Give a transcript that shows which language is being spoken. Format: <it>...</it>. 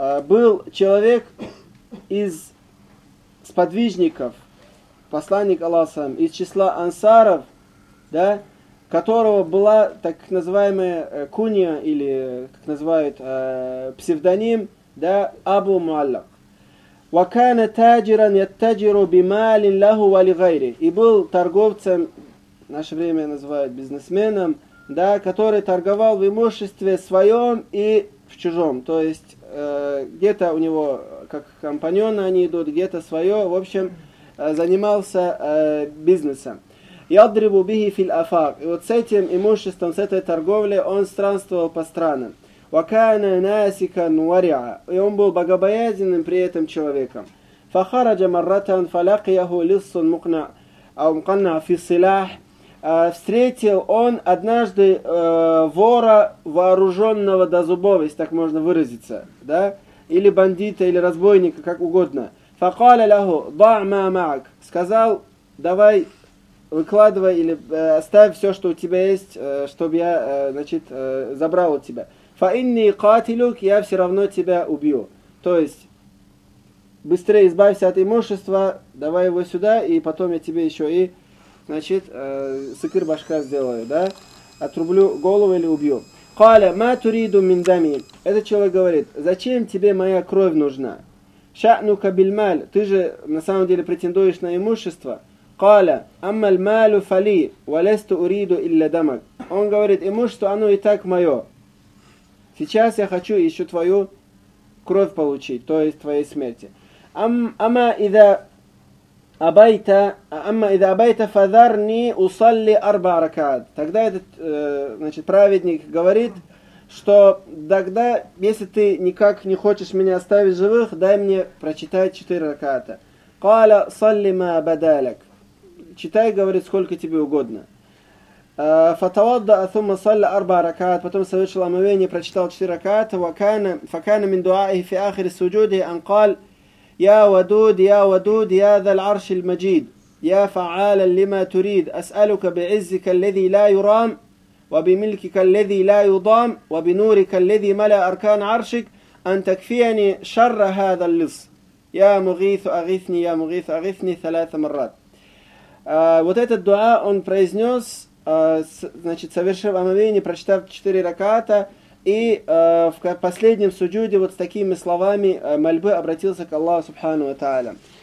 <ru>Был человек из сподвижников посланник Аллаха, из числа ансаров, да, которого была так называемая кунья или как называют псевдоним, да, Абу Муаллак.</ru> <ar>وكان تاجرا يتجر بمال له ولغيره.</ar> <ru>И был торговцем, в наше время называют бизнесменом, да, который торговал в имуществе своем и в чужом. То есть где-то у него как компаньоны они идут, где-то свое, в общем, занимался бизнесом.</ru> <ar>يضرب به في الآفاق.</ar> <ru>И вот с этим имуществом, с этой торговлей он странствовал по странам.</ru> <ar>وكان ناسكا ورعا.</ar> <ru>И он был богобоязненным при этом человеком.</ru> <ar>فخرج مرة فلقيه لص مقنع أو مقنع في السلاح.</ar> <ru>Встретил он однажды вора вооруженного до зубов, если так можно выразиться, да? Или бандита, или разбойника, как угодно.</ru> <ar>فقال له ضع ما معك.</ar> <ru>Сказал: давай выкладывай или оставь все, что у тебя есть, чтобы я, значит, забрал у тебя.</ru> <ar>فإني قاتلك,</ar> <ru>я все равно тебя убью. То есть быстрее избавься от имущества, давай его сюда, и потом я тебе еще и, значит, сыкыр башка сделаю, да? Отрублю голову или убью.</ru> <ar>قال ما تريد من دمي.</ar> <ru>Этот человек говорит: зачем тебе моя кровь нужна?</ru> <ar>شأنك بالمال.</ar> <ru>Ты же на самом деле претендуешь на имущество.</ru> <ar>قال أما المال فلي ولست أريد إلا دمك.</ar> <ru>Он говорит: имущество оно и так мое. Сейчас я хочу еще твою кровь получить, то есть твоей смерти.</ru> <ar>Амма ида абайта фадарни усалли арба ракаат.</ar> <ru>Тогда этот, значит, праведник говорит, что тогда, если ты никак не хочешь меня оставить живых, дай мне прочитать 4 раката.</ru> <ar>Кала салли ма бадалек.</ar> <ru>Читай, говорит, сколько тебе угодно.</ru> <ar>فتوضأ ثم صلى أربع ركعات</ar> <ru>потом совершил омовение, прочитал 4 ракаата.</ru> <ar>وكان فكان من دعائه في آخر سجوده أن قال يا ودود يا ودود يا ذا العرش المجيد يا فعالا لما تريد أسألك بعزك الذي لا يرام وبملكك الذي لا يضام وبنورك الذي ملأ أركان عرشك أن تكفيني شر هذا اللص يا مغيث أغثني يا مغيث أغثني 3 مرات.</ar> <ru>Вот этот дуа он произнес, значит, совершив омовение, прочитав 4 раката, и в последнем суджуде вот с такими словами мольбы обратился к Аллаху Субхану ва Тааля.</ru>